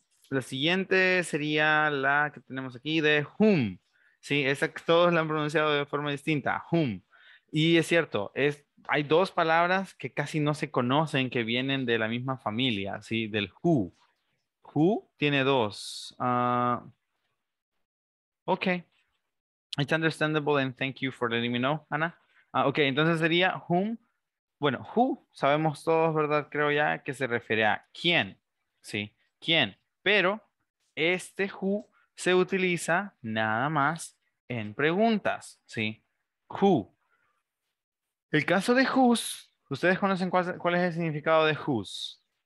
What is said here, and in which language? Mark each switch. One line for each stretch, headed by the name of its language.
Spanish: La siguiente sería la que tenemos aquí de whom. Sí, esa todos la han pronunciado de forma distinta, whom. Y es cierto, es, hay dos palabras que casi no se conocen que vienen de la misma familia, ¿sí? Del who. Who tiene dos.
English: Okay. It's understandable and thank you for letting me know, Ana.
Spanish: Okay, entonces sería whom. Bueno, who, sabemos todos, ¿verdad? Creo ya que se refiere a quién, ¿sí? ¿Quién? Pero este who se utiliza nada más en preguntas, ¿sí? Who. El caso de whose, ¿ustedes conocen cuál es el significado de whose?